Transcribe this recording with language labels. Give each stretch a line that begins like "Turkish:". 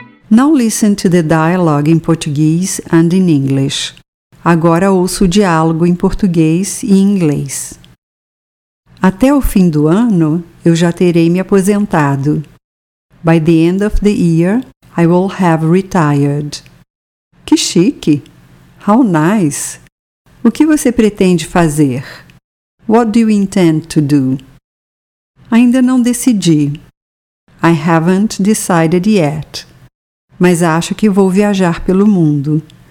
English: Now listen to the dialogue in Portuguese and in English.
Portuguese: Agora ouça o diálogo em português e em inglês. Até o fim do ano, eu já terei me aposentado.
English: By the end of the year, I will have retired.
Portuguese: Que chique!
English: How nice!
Portuguese: O que você pretende fazer?
English: What do you intend to do?
Portuguese: Ainda não decidi.
English: I haven't decided yet.
Portuguese: Mas acho que vou viajar pelo mundo.